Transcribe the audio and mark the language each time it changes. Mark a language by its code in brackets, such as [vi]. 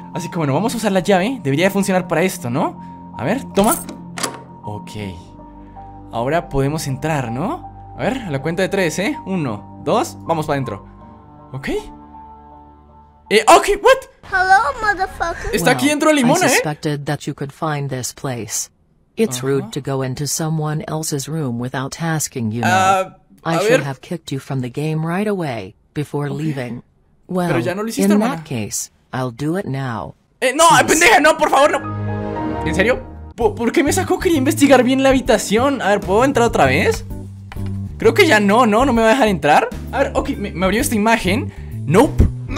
[es] Así que bueno, vamos a usar la llave, debería de funcionar para esto, ¿no? A ver, toma. Ok, ahora podemos entrar, ¿no? A ver, a la cuenta de tres, ¿eh? Uno, dos, vamos para adentro. Ok. Ok, what? Está aquí dentro de Limona, ¿eh? [en] Suspected that you could find this place. It's rude to go into someone else's room without asking you. I should have kicked you from the game right away before leaving. Well, [es] pero ya no lo hiciste, hermana. [en] Case, I'll do it now. [es] No, pendeja, no, por favor, no. ¿En serio? ¿Por qué me sacó? Quería investigar bien la habitación. A ver, ¿puedo entrar otra vez? Creo que ya no me va a dejar entrar. A ver, ok, me abrió esta imagen. [en] Nope.